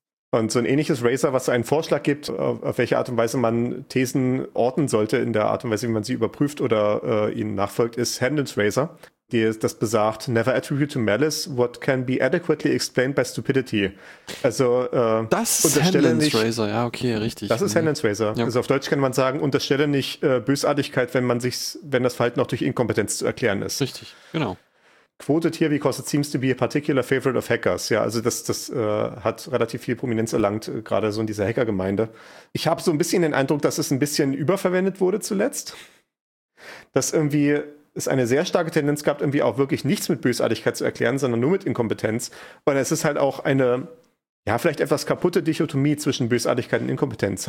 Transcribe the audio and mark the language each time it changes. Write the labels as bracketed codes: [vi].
[de] Und so ein ähnliches Razor, was einen Vorschlag gibt, auf welche Art und Weise man Thesen orten sollte, in der Art und Weise, wie man sie überprüft oder ihnen nachfolgt, ist Hendon's Razor, das besagt, [en] never attribute to malice what can be adequately explained by stupidity. [de] Also, das ist Hendon's Razor, ja, okay, richtig. Das ist Hendon's Razor. Ja. Also auf Deutsch kann man sagen, unterstelle nicht Bösartigkeit, wenn das Verhalten auch durch Inkompetenz zu erklären ist. Richtig, genau. [en] Quoted here because it seems to be a particular favorite of hackers. [de] Ja, also das hat relativ viel Prominenz erlangt, gerade so in dieser Hackergemeinde. Ich habe so ein bisschen den Eindruck, dass es ein bisschen überverwendet wurde zuletzt. Dass irgendwie es eine sehr starke Tendenz gab, irgendwie auch wirklich nichts mit Bösartigkeit zu erklären, sondern nur mit Inkompetenz. Und es ist halt auch eine, ja, vielleicht etwas kaputte Dichotomie zwischen Bösartigkeit und Inkompetenz.